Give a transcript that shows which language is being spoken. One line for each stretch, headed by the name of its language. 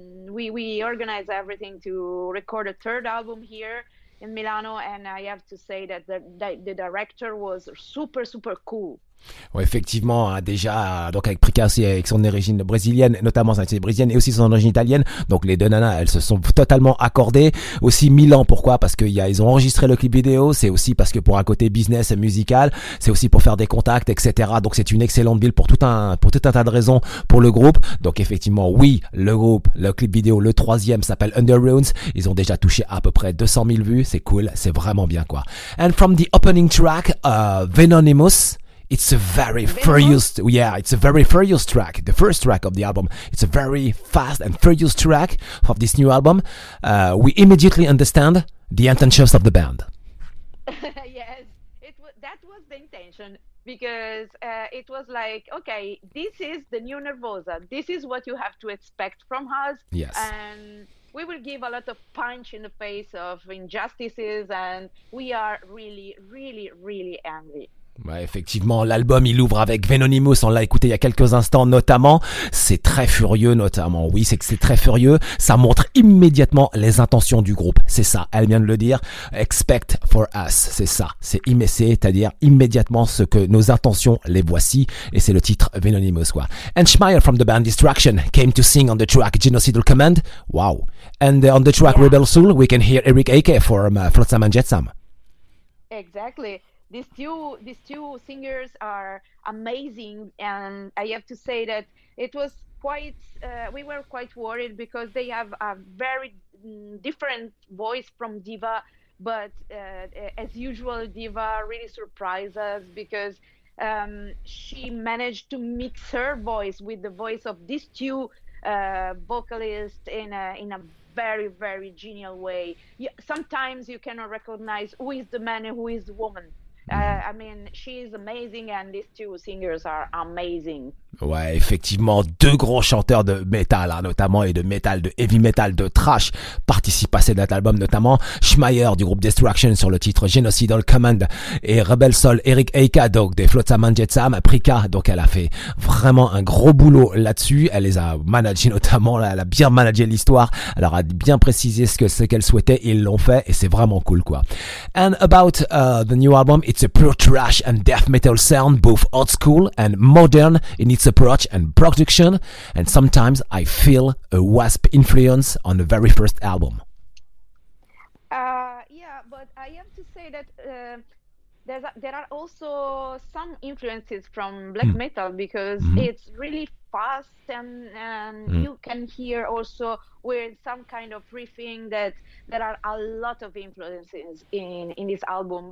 English: We organized everything to record a third album here in Milano, and I have to say that the director was super super cool.
French: Ouais, effectivement, hein, déjà, donc avec Prika aussi, avec son origine brésilienne, notamment son origine brésilienne et aussi son origine italienne. Donc les deux nanas, elles se sont totalement accordées. Aussi Milan, pourquoi? Parce qu'ils ont enregistré le clip vidéo. C'est aussi parce que pour un côté business musical, c'est aussi pour faire des contacts, etc. Donc c'est une excellente ville pour tout un tas de raisons pour le groupe. Donc effectivement, oui, le groupe, le clip vidéo, le troisième s'appelle Under Ruins. Ils ont déjà touché à peu près 200 000 vues. C'est cool, c'est vraiment bien, quoi.
English: And from the opening track, Venonymous. It's a very furious, yeah, it's a very furious track, the first track of the album. It's a very fast and furious track of this new album. We immediately understand the intentions of the band. Yes, that was the intention, because it was like, okay, this is the new Nervosa. This is what you have to expect from us. Yes. And we will give a lot of punch in the face of injustices, and we are really, really, really angry.
French: Ouais, effectivement, l'album, il ouvre avec Venonymous, on l'a écouté il y a quelques instants, notamment. C'est très furieux, notamment. Oui, c'est que c'est très furieux. Ça montre immédiatement les intentions du groupe. C'est ça. Elle vient de le dire.
English: Expect for us.
French: C'est ça. C'est-à-dire immédiatement ce que nos intentions, les voici. Et c'est le titre Venonymous, quoi.
English: And Schmeier from the band Destruction came to sing on the track Genocidal Command. Wow. And on the track Rebel Soul, we can hear Eric Ake from Flotsam and Jetsam. Exactly. These two singers are amazing, and I have to say that it was we were quite worried because they have a very different voice from Diva, but as usual, Diva really surprised us because she managed to mix her voice with the voice of these two vocalists in a very, very genial way. You, sometimes you cannot recognize who is the man and who is the woman. I mean, she is amazing and these two singers are amazing.
French: Ouais, effectivement, deux gros chanteurs de métal, hein, notamment, et de métal, de heavy metal, de trash, participent à cet album, notamment Schmeier du groupe Destruction sur le titre Genocidal Command et Rebel Soul Eric Eika, donc des Flotsam and Jetsam, Prika, donc elle a fait vraiment un gros boulot là-dessus, elle les a managés notamment, elle a bien managé l'histoire, elle leur a bien précisé ce qu'elle souhaitait, ils l'ont fait, et c'est vraiment cool, quoi.
English: And about the new album, it's a pure trash and death metal sound, both old school and modern, in its approach and production, and sometimes I feel a Wasp influence on the very first album. Yeah, but I have to say that there are also some influences from black metal, because it's really fast, and you can hear also with some kind of riffing that there are a lot of influences in this album.